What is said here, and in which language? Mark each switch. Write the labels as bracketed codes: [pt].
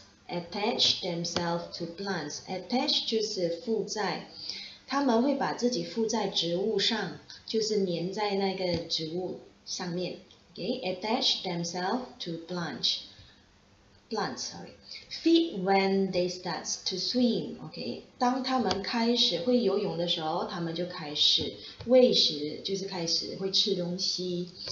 [en] Attach themselves to plants， [zh] 就是附在，他们会把自己附在植物上，就是粘在那个植物上面。 [en] Okay， attach themselves to plants。 Feed when they start to swim. [zh] OK， 当他们开始会游泳的时候，他们就开始喂食，就是开始会吃东西。